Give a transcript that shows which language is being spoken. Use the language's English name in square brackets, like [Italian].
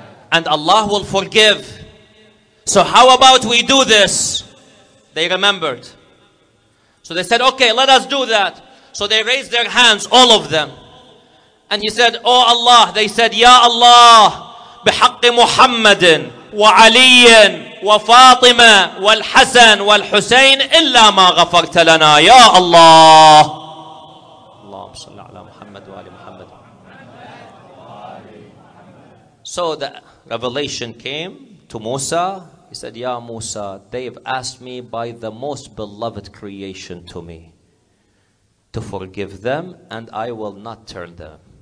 [English] And Allah will forgive. So how about we do this? They remembered. So they said, okay, let us do that. So they raised their hands, all of them. And he said, oh Allah, they said, Ya Allah, [Arabic] بحق محمد وعلي وفاطمة والحسن والحسين إلا ما غفرت لنا يا الله. اللهم صل على محمد وآل محمد. [English] So the revelation came to Musa. He said, Ya Musa, they've asked me by the most beloved creation to me to forgive them, and I will not turn them.